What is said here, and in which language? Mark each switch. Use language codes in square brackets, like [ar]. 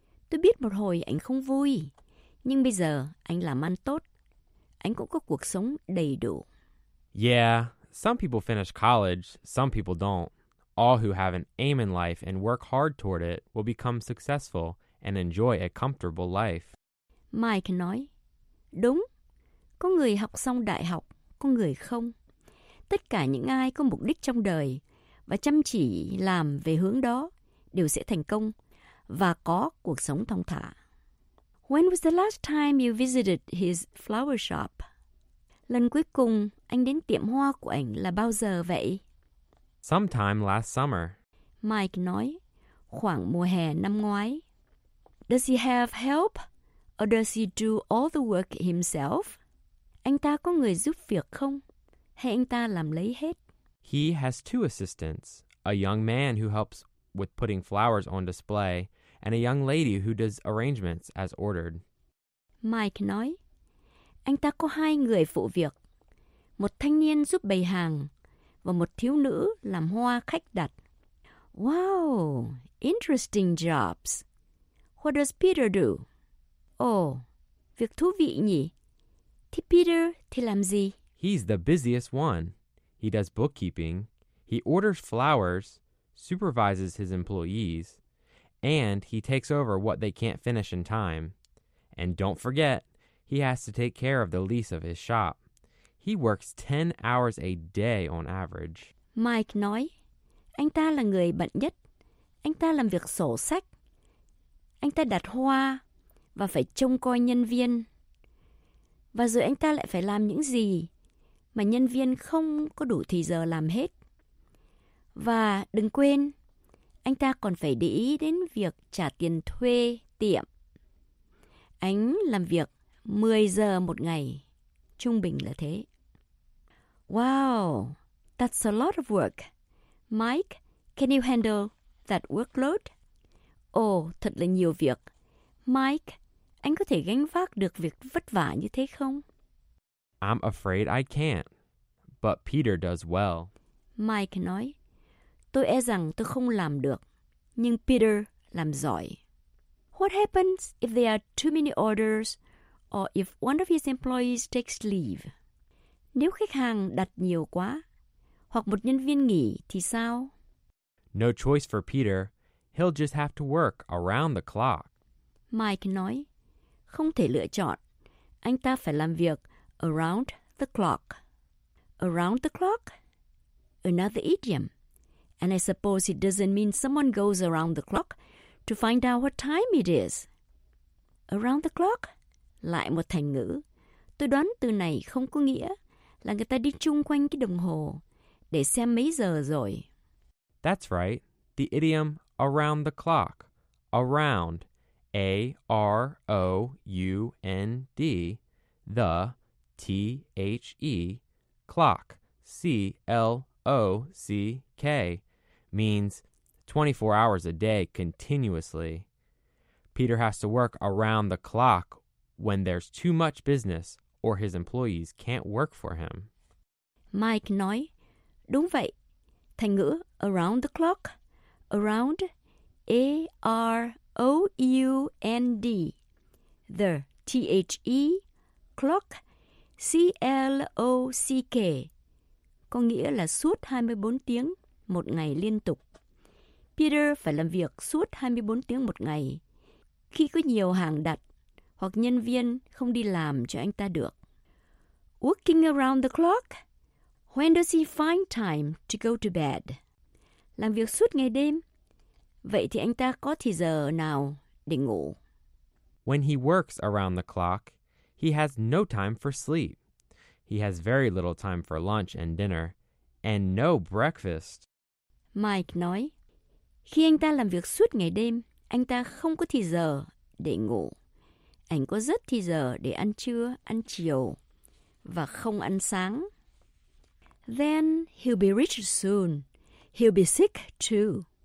[vi] Tôi biết một hồi ảnh không vui, nhưng bây giờ anh làm ăn tốt. Anh cũng có cuộc sống đầy đủ. [en] Yeah, some people finish college, some people don't. All who have an aim in life and work hard toward it will become successful and enjoy a comfortable life. [vi] Mike nói, đúng, có người học xong đại học, có người không. Tất cả những ai có mục đích trong đời và chăm chỉ làm về hướng đó đều sẽ thành công và có cuộc sống thong thả. [en] When was the last time you visited his flower shop? [vi] Lần cuối cùng anh đến tiệm hoa của ảnh là bao giờ vậy? [en] Sometime last summer. [vi] Mike nói, khoảng mùa hè năm ngoái. [en] Does he have help or does he do all the work himself? [vi] Anh ta có người giúp việc không? Hay anh ta làm lấy hết? [en] He has two assistants, a young man who helps with putting flowers on display and a young lady who does arrangements as ordered. [vi] Mike nói, anh ta có hai người phụ việc, một thanh niên giúp bày hàng và một thiếu nữ làm hoa khách đặt. [en] Wow, interesting jobs. What does Peter do? [vi] Oh, việc thú vị nhỉ. Thì Peter thì làm gì? [en] He's the busiest one. He does bookkeeping. He orders flowers, supervises his employees, and he takes over what they can't finish in time. And don't forget, he has to take care of the lease of his shop. He works 10 hours a day on average. [vi] Mike nói, anh ta là người bận nhất. Anh ta làm việc sổ sách. Anh ta đặt hoa và phải trông coi nhân viên. Và rồi anh ta lại phải làm những gì mà nhân viên không có đủ thời giờ làm hết. Và đừng quên, anh ta còn phải để ý đến việc trả tiền thuê tiệm. Anh làm việc 10 giờ một ngày, trung bình là thế. [en] Wow, that's a lot of work. Mike, can you handle that workload? [vi] Oh, thật là nhiều việc. Mike, anh có thể gánh vác được việc vất vả như thế không? [en] I'm afraid I can't, but Peter does well. [vi] Mike nói, tôi e rằng tôi không làm được, nhưng Peter làm giỏi. [en] What happens if there are too many orders or if one of his employees takes leave? [vi] Nếu khách hàng đặt nhiều quá, hoặc một nhân viên nghỉ thì sao? [en] No choice for Peter. He'll just have to work around the clock. [vi] Mike nói, không thể lựa chọn. Anh ta phải làm việc [en] around the clock. Around the clock? Another idiom. And I suppose it doesn't mean someone goes around the clock to find out what time it is. Around the clock? [vi] Lại một thành ngữ. Tôi đoán từ này không có nghĩa là người ta đi chung quanh cái đồng hồ để xem mấy giờ rồi. [en] That's right. The idiom around the clock. Around. A-R-O-U-N-D. The. T-H-E. Clock. C-L-O-C-K. Means 24 hours a day continuously. Peter has to work around the clock when there's too much business or his employees can't work for him. [vi] Mike nói, đúng vậy. Thành ngữ [en] around the clock, around, A-R-O-U-N-D, the T-H-E, clock, C-L-O-C-K, [vi] có nghĩa là suốt 24 tiếng một ngày liên tục. Peter phải làm việc suốt 24 tiếng một ngày khi có nhiều hàng đặt hoặc nhân viên không đi làm cho anh ta được. [en] Working around the clock? When does he find time to go to bed? [vi] Làm việc suốt ngày đêm. Vậy thì anh ta có thời giờ nào để ngủ? [en] When he works around the clock, he has no time for sleep. He has very little time for lunch and dinner, and no breakfast. [vi] Mike nói, khi anh ta làm việc suốt ngày đêm, anh ta không có thời giờ để ngủ. Anh có rất thời giờ để ăn trưa, ăn chiều, và không ăn sáng. [en] Then he'll be rich soon. He'll be sick too.